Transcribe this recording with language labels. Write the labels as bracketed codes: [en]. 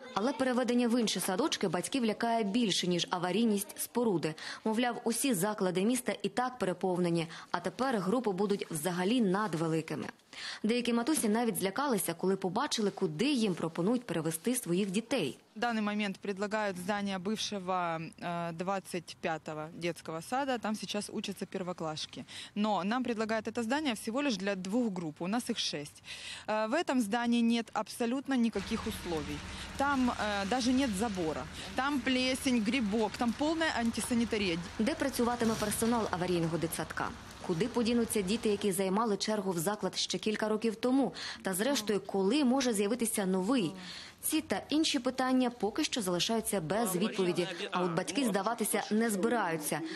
[uk] Але переведення в інші садочки батьків лякає більше, ніж аварійність споруди. Мовляв, усі заклади міста і так переповнені, а тепер групи будуть взагалі надвеликими. Деякі матусі навіть злякалися, коли побачили, куди їм пропонують перевести своїх дітей. [ru] В данный момент предлагают здание бывшего 25-го детского сада. Там сейчас учатся первоклашки. Но нам предлагают это здание всего лишь для двух групп. У нас их шесть. В этом здании нет абсолютно никаких условий. Там даже нет забора. Там плесень, грибок. Там полная антисанитария. [uk] Де працюватиме персонал аварійного дитсадка? Куди подінуться діти, які займали чергу в заклад ще кілька років тому? Та зрештою, коли може з'явитися новий? Ці та інші питання поки що залишаються без відповіді, а от батьки здаватися не збираються.